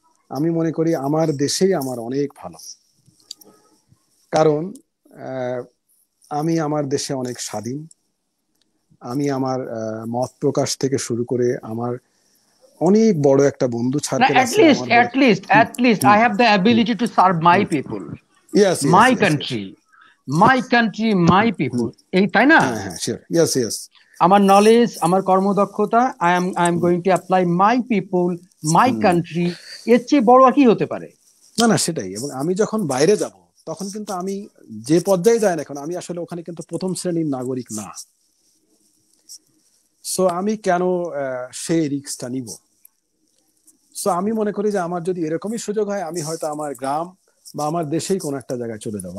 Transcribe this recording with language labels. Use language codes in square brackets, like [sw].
[bn] আমি মনে করি আমার দেশেই আমার অনেক ভালো, কারণ আমি আমার দেশে অনেক স্বাধীন। আমি আমার মত প্রকাশ থেকে শুরু করে আমার অনেক বড় একটা বন্ধু সার্কেল আছে। [en] at least I have the ability to serve my people. Yes, my country, my country, my people. [bn] এই তাই না? [en] Sure. Yes, yes. [bn] আমার নলেজ, আমার কর্মদক্ষতা, [en] I am going to apply my people, my country. [bn] এর চেয়ে বড় কি হতে পারে? না না, সেটাই। এবং আমি যখন বাইরে যাব তখন কিন্তু আমি যে পর্যায়ে যাই না কেন, আমি আসলে ওখানে কিন্তু প্রথম শ্রেণীর নাগরিক না। সো আমি কেন সেই রিস্কটা নিব? সো আমি মনে করি যে আমার যদি এরকমই সুযোগ হয়, আমি হয়তো আমার গ্রাম বা আমার দেশেই কোন একটা জায়গায় চলে যাবো।